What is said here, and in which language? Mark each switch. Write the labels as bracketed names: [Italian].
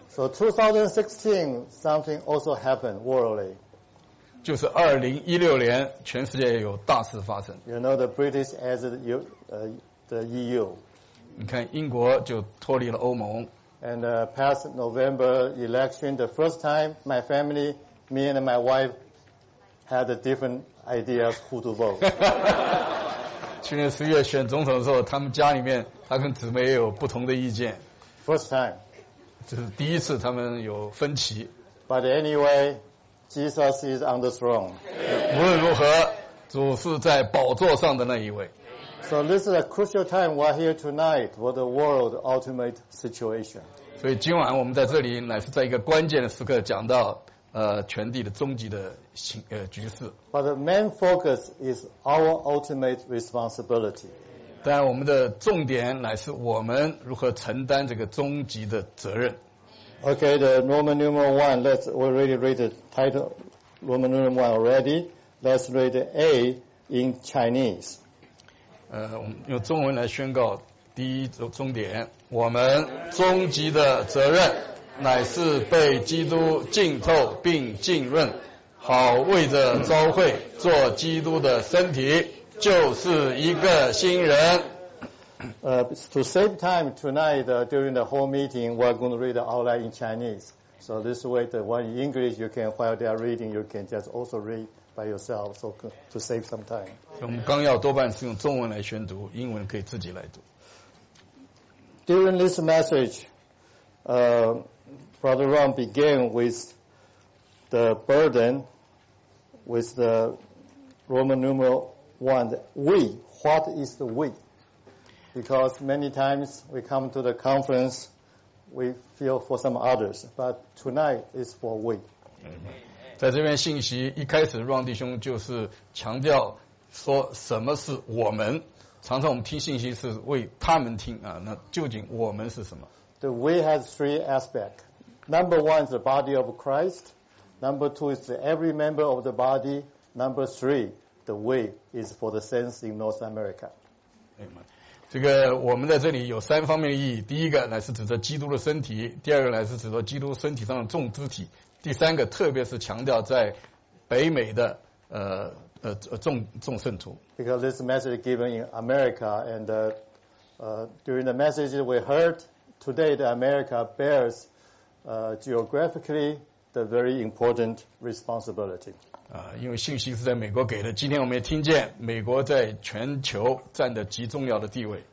[English] So 2016, something also happened worldly. [Chinese] 就是2016年全世界有大事发生。 [English] You know, the British exit the EU. [Chinese] 你看英国就脱离了欧盟。 [English] And past November election, the first time my family, me and my wife, had a different idea of who to vote. [Chinese] 去年十月选总统的时候，他们家里面他跟姊妹也有不同的意见。 [English] First time. [Chinese] 这是第一次他们有分歧。 [English] But anyway, Jesus is on the throne. [Chinese] 无论如何，主是在宝座上的那一位。 [English] So this is a crucial time we are here tonight for the world ultimate situation. [Chinese] 所以今晚我们在这里乃是在一个关键的时刻讲到全地的终极的局势。 [English] But the main focus is our ultimate responsibility. [Chinese] 但我们的重点乃是我们如何承担这个终极的责任。 [English] Okay, the Roman numeral 1, let's already read the title, Roman numeral 1 already. Let's read A in Chinese. [Chinese] 我们用中文来宣告第一终点，我们终极的责任乃是被基督浸透并浸润，好为着召会做基督的身体，就是一个新人。 [English] To save time tonight, during the whole meeting, we're going to read outline in Chinese. So this way, the one in English, you can, while they are reading, you can just also read. By yourself, so to save some time. [Chinese] 我们纲要多半是用中文来宣读，英文可以自己来读。 [English] During this message, Brother Ron began with the burden, with the Roman numeral one. We, what is the we? Because many times we come to the conference, we feel for some others, but tonight is for we. Mm-hmm. [Chinese] 在这边信息一开始 Ron 弟兄就是强调说什么是我们，常常我们听信息是为他们听啊，那究竟我们是什么？ [English] The we has three aspects. Number one is the body of Christ. Number two is every member of the body. Number three, the we is for the saints in North America. [Chinese] 这个我们在这里有三方面的意义，第一个乃是指着基督的身体，第二个乃是指着基督身体上的众肢体，第三个特别是强调在北美的众圣徒。 [English] Because this message is given in America, and during the message we heard today, that America bears geographically the very important responsibility. [Chinese] 因为信息是在美国给的，今天我们也听见美国在全球占的极重要的地位。